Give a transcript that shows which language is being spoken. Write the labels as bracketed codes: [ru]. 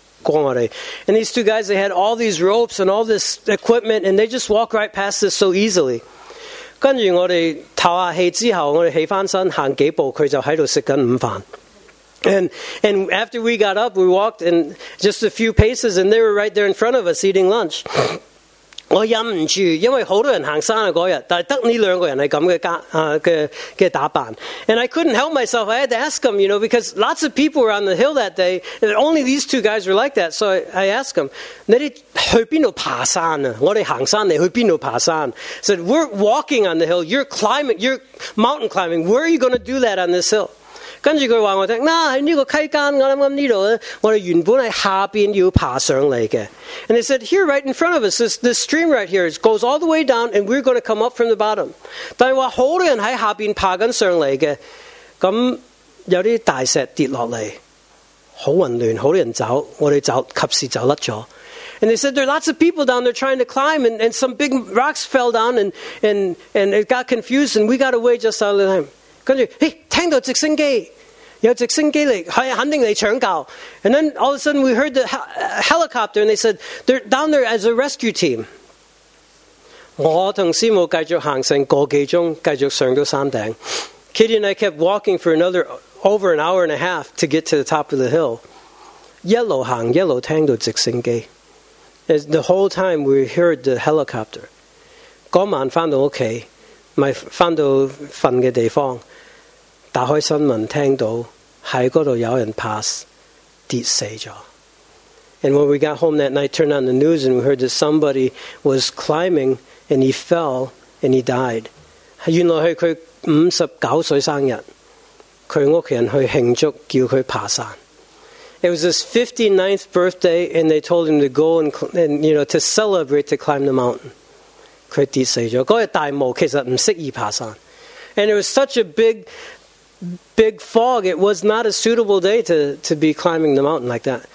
[en] And these two guys, they had all these ropes and all this equipment, and they just walk right past us so easily. [yue] 跟住我哋唞下气之后，我哋起翻身行几步，佢就喺度食紧午饭。 [en] And after we got up, we walked in just a few paces, and they were right there in front of us eating lunch. [yue] 我忍唔住，因为好多人行山啊嗰日，但系得呢两个人系咁嘅打扮。 [en] And I couldn't help myself. I had to ask them, you know, because lots of people were on the hill that day, and only these two guys were like that. So I asked them, [yue] 你哋去边度爬山啊？我哋行山，你去边度爬山？ [en] I said, we're walking on the hill. You're climbing. You're mountain climbing. Where are you going to do that on this hill? [yue] 跟住佢话我听，嗱喺呢个溪间，我谂谂呢度咧，我哋原本系下边要爬上嚟嘅。 [en] And they said, here right in front of us, this stream right here, it goes all the way down, and we're going to come up from the bottom. [yue] 但系话好多人喺下边爬紧上嚟嘅，咁有啲大石跌落嚟，好混乱，好多人走，我哋走及时走甩咗。 [en] And they said, there are lots of people down there trying to climb, and some big rocks fell down, and it got confused, and we got away just out of time. [yue] 跟住，嘿，听到直升机，有直升机嚟，系肯定嚟抢救。 [en] And then all of a sudden we heard the helicopter, and they said they're down there as a rescue team. [yue] 我同师母继续行成个几钟，继续上到山顶。 [en] Kitty and I kept walking for another over an hour and a half to get to the top of the hill. [yue] 一路行，一路听到直升机。 [en] The whole time we heard the helicopter. [yue] 嗰晚翻到屋企。咪翻到瞓嘅地方，打开新闻听到喺嗰度有人 pass 跌死咗。 [en] And when we got home that night, turned on the news and we heard that somebody was climbing and he fell and he died. [yue] 原来系佢59岁生日，佢屋企人去庆祝叫佢爬山。 [en] It was his 59th birthday and they told him to go and you know to celebrate to climb the mountain. [yue] 佢跌死咗。嗰日大雾，其实唔适宜爬山。 [en] And it was such a big fog. It was not a suitable day to be climbing the mountain like that.